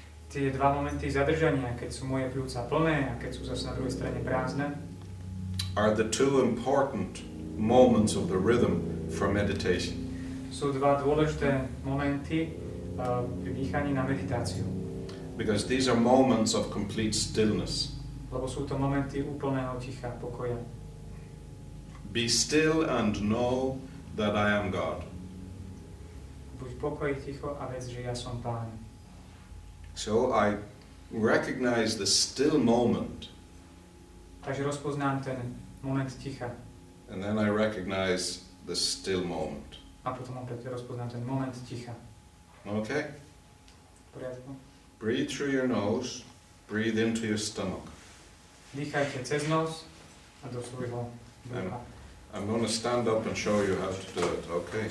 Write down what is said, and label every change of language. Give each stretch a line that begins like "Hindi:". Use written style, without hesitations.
Slovak: Tie dva momenty zadržania, keď sú moje pľúca plné a keď sú zase na druhej strane prázdne.
English: Are the two important moments of the rhythm for meditation.
Slovak: Sú dva dôležité momenty pri dýchaní na meditáciu.
English: Because these are moments of complete stillness.
Slovak: Lebo sú to momenty úplného ticha, pokoja.
English: Be still and know that I am God.
Slovak: Buď pokoj, ticho a vedz, že ja som Pán.
English: So I recognize the still moment.
Slovak: Takže rozpoznám ten moment ticha.
English: And then I recognize the still moment.
Slovak: A potom opäť rozpoznám ten moment ticha.
English: Okay.
Slovak: V poriadku.
English: Breathe through your nose, breathe into your stomach.
Slovak: Dýchajte cez nos a do svojho brucha.
English: I'm going to stand up and show you how to do it, okay?